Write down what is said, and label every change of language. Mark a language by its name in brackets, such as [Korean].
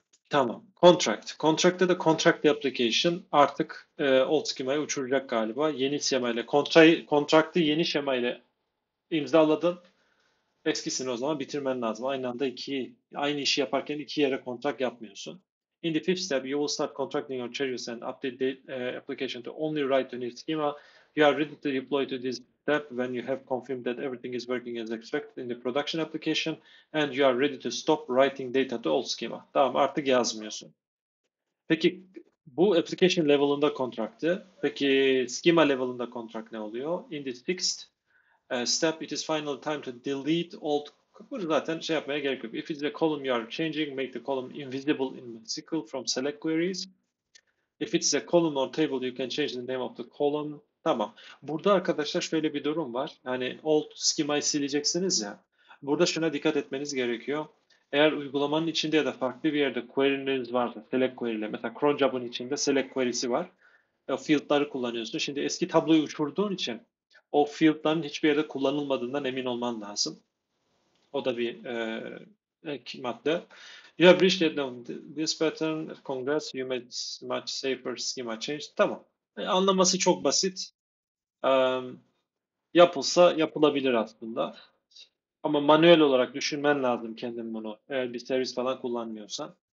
[Turkish] Tamam. Contract'te de contract application artık old schema'ya uçuracak galiba. Yeni schema ile contract'ı yeni schema ile imzaladın. Eskisini o zaman bitirmen lazım. Aynı anda aynı işi yaparken iki yere contract yapmıyorsun. [English] In the fifth step, you will start contracting your changes and update the application to only write the new schema. You are ready to deploy to this step when you have confirmed that everything is working as expected in the production application and you are ready to stop writing data to old schema. [Turkish] Tamam, artık yazmıyorsun. Peki bu application level'ında contract'ı, peki schema level'ında contract ne oluyor? [English] In this sixth step, it is finally time to delete old. [Turkish] Bunu zaten şey yapmaya gerek yok. [English] If it's a column you are changing, make the column invisible in SQL from select queries. If it's a column or table, you can change the name of the column. Tamam. [Turkish] Burada arkadaşlar şöyle bir durum var. Yani old schema'yı sileceksiniz ya. Burada şuna dikkat etmeniz gerekiyor. Eğer uygulamanın içinde ya da farklı bir yerde query'niz varsa, select query ile mesela cron job'un içinde select query'si var. O field'ları kullanıyorsun. Şimdi eski tabloyu uçurduğun için o field'ların hiçbir yerde kullanılmadığından emin olman lazım. O da bir ek madde. Ya bir şey dedim. [English] This pattern congrats you made much safer schema change. [Turkish] Tamam. Anlaması çok basit. Yapılsa yapılabilir aslında. Ama manuel olarak düşünmen lazım kendin bunu. Eğer bir servis falan kullanmıyorsan.